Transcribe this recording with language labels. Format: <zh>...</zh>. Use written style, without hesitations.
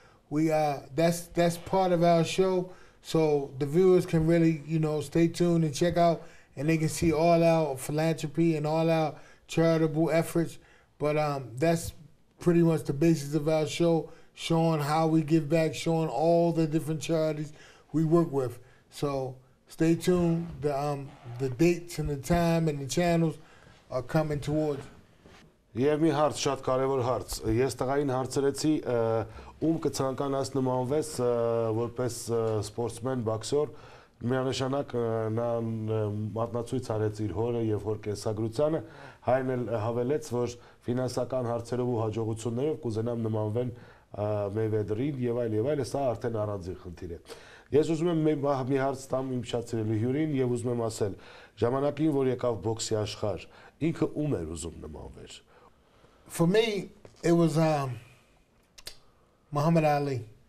<en>That's part of our show, so the viewers can really, you know, stay tuned and check out, and they can see all our philanthropy and all our charitable efforts. But that's pretty much the basis of our show, showing how we give back, showing all the different charities we work with. So stay tuned. The dates and the time and the channels are coming towards.</en> <hy>Եվ մի հարց, շատ կարևոր հարց։ Ես տղային հարցրեցի, ում կցանկանաս նմանվես որպես սպորտսմեն, բաքսեր, միանշանակ նա մատնացույց արեց իր հորը եւ հոր կենսագրությանը, հայն էլ հավելեց, որ ֆինանսական հարցերով ու հաջողություններով կուզենամ նմանվեն Մեյվեդերին եւ այլ եւ այլ, սա արդեն առանձին խնդիր է։ Ես ուզում եմ մի հարց տամ իմ շատ սիրելի հյուրին եւ ուզում եմ ասել, ժամանակին որ եկավ բոքսի աշխարհ, ինքը ում էր ուզում նմանվեր։</hy> <en>For me, it was Muhammad Ali.</en>